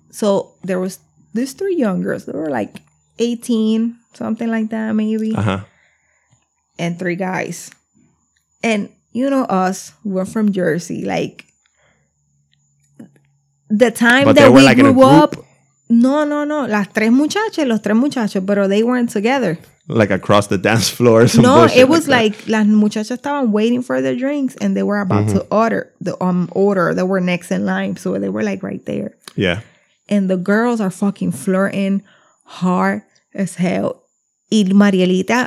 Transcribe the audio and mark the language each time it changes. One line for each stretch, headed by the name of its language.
English: So, there was these three young girls. They were like 18, something like that, maybe. Uh-huh. And three guys. And, you know, us, we're from Jersey. Like, the time but that we like grew up. No, no, no.
Spanish: Las tres muchachas, los tres muchachos, pero
English: they weren't together. Like across the dance floor or something. No, it was like
Spanish: las muchachas estaban
English: waiting for their drinks and they were about mm-hmm. to order the order that were next in line. So they were like right there. Yeah. And the girls are fucking flirting hard as hell.
Spanish: Y Marielita.